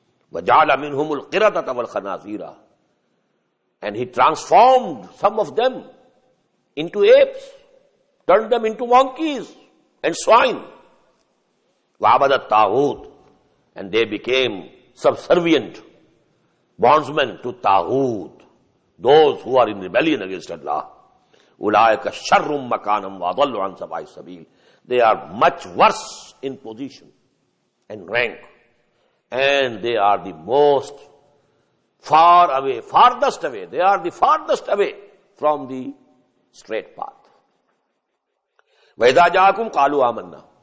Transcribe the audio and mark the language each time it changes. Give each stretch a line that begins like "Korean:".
Arabic: Wa ja'ala minhum al-qiradata wal-khanazira,
English: and he transformed some of them into apes, turned them into monkeys and swine.
Arabic: وَعَبَدَ الطَّاغُوتِ,
English: and they became subservient bondsmen to Tahut, those who are in rebellion against Allah.
Arabic: أُولَٰئِكَ شَرٌّ مَكَانًا وَضَلُّ عَنْ سَبَعِ السَّبِيلِ.
English: They are much worse in position and rank, and they are the most far away, farthest away. They are the farthest away from the straight path.
Arabic: وَإِذَا جَاءَكُمْ قَالُوا آمَنَّا.